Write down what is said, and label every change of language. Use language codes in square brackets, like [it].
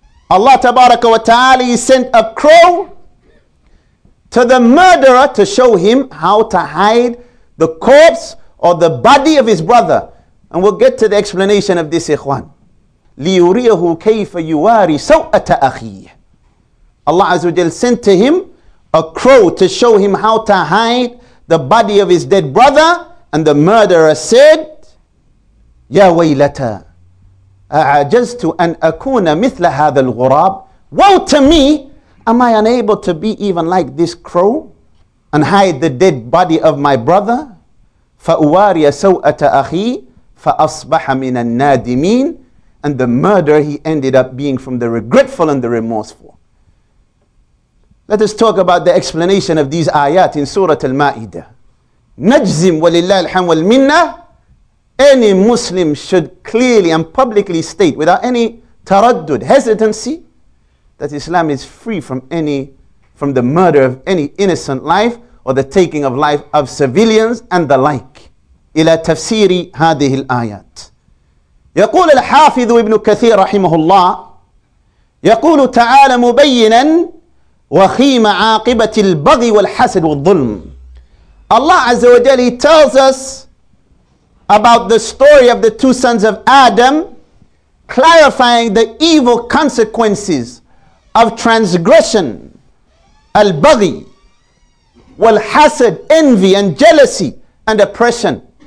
[en] Allah tabaraka wa ta'ala, he sent a crow to the murderer to show him how to hide the corpse or the body of his brother. And we'll get to the explanation of this, ikhwan. [ar] لِيُرِيَهُ كَيْفَ يُوَارِ سَوْءَةَ أَخِيهِ. [en] Allah Azza wa Jal sent to him a crow to show him how to hide the body of his dead brother. And the murderer said, [ar] يَا وَيْلَتَا أَعَجَزْتُ أَنْ أَكُونَ مِثْلَ هَذَا الْغُرَابِ. [en] Woe to me! Am I unable to be even like this crow and hide the dead body of my brother? [ar] فَأُوَارِيَ سَوْءَةَ أَخِي فَأَصْبَحَ مِنَ النَّادِمِينَ. [en] And the murderer, he ended up being from the regretful and the remorseful. Let us talk about the explanation of these ayat in Surah Al-Ma'idah. [ar] نَجْزِمْ وَلِلَّهِ الْحَمْدُ وَالْمِنَّةِ. [en] Any Muslim should clearly and publicly state without any taraddud, hesitancy, that Islam is free from the murder of any innocent life or the taking of life of civilians and the like. [ar] إلى تفسير هذه الآيات. يقول الحافظ ابن كثير رحمه الله يقول تعالى مبينا وخيم عاقبة البغي والحسد والظلم. [en] Allah Azza wa Jalla tells us about the story of the two sons of Adam, clarifying the evil consequences of transgression, al-baghi, wal-hasad, envy and jealousy and oppression.